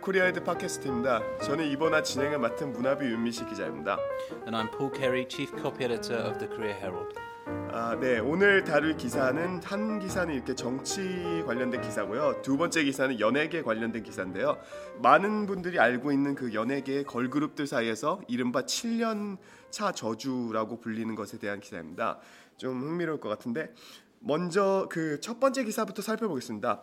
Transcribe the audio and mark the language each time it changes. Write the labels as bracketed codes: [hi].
[ko] 코리아헤드 팟캐스트입니다. 저는 이번화 진행을 맡은 문화비 윤미식 기자입니다. [en] And I'm Paul Carey, Chief Copy Editor of the Korea Herald. [ko] 아, 네. 오늘 다룰 기사는 한 기사는 이렇게 정치 관련된 기사고요. 두 번째 기사는 연예계 관련된 기사인데요. 많은 분들이 알고 있는 그 연예계 걸그룹들 사이에서 이른바 7년 차 저주라고 불리는 것에 대한 기사입니다. 좀 흥미로울 것 같은데 먼저 그 첫 번째 기사부터 살펴보겠습니다.